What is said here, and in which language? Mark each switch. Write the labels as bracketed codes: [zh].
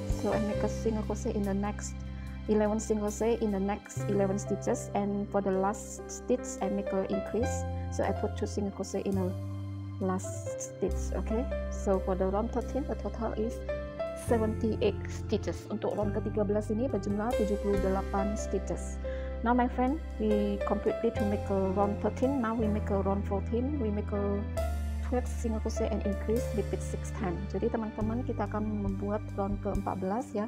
[en] So I make a single crochet in the next 11 single crochet in the next 11 stitches, and for the last stitch I make an increase, so I put 2 single crochet in the last stitch. Okay, so for the round 13 the total is 78 stitches. [id] Untuk round ke-13 ini berjumlah 78 stitches. [en] Now my friend, we completely to make a round 13. Now we make a round 14. We make a 12 single crochet and increase, repeat 6 times. [id] Jadi teman-teman, kita akan membuat round ke-14 ya.